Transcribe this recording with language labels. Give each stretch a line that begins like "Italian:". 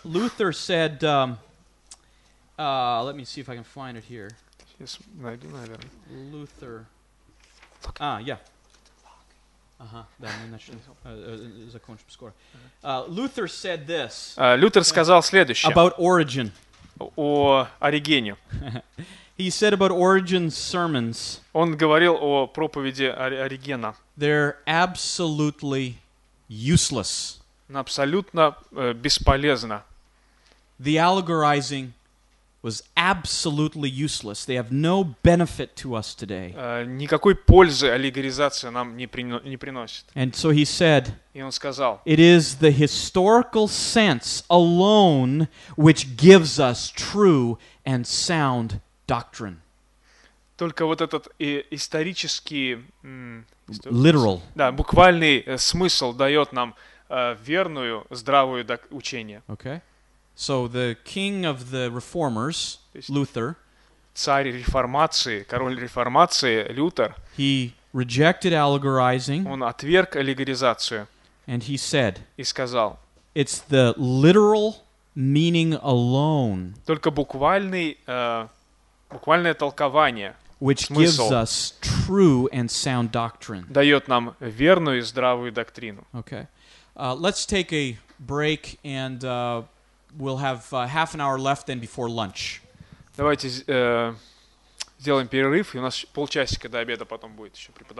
English: Luther said, let me see if I can find it here.
Russian: Сейчас найду, наверное. Luther. А, я. Ага, да, мы закончим скоро.
English: Luther said this.
Russian: Лютер сказал следующее.
English: About Origen.
Russian: О Оригене.
English: He said about Origen's sermons.
Russian: Он говорил о проповеди Оригена.
English: They're absolutely useless.
Russian: Абсолютно бесполезно.
English: The allegorizing was absolutely useless. They have no benefit to us today.
Russian: Никакой пользы аллегоризация нам не приносит.
English: And so he said.
Russian: И он сказал.
English: It is the historical sense alone which gives us true and sound doctrine.
Russian: Только вот этот исторический...
English: Literal.
Russian: Да, буквальный смысл дает нам верную, здравую учение.
English: Okay. So the king of the reformers, Luther...
Russian: Царь реформации, король реформации, Лютер...
English: He rejected allegorizing.
Russian: Он отверг аллегоризацию.
English: And he said...
Russian: И сказал...
English: It's the literal meaning alone.
Russian: Только буквальное толкование...
English: Which gives us true and sound doctrine.
Russian: Дает нам верную и здравую доктрину.
English: Okay. Let's take a break and we'll have half an hour left then before lunch.
Russian: Давайте сделаем перерыв, и у нас полчасика до обеда потом будет еще преподавание.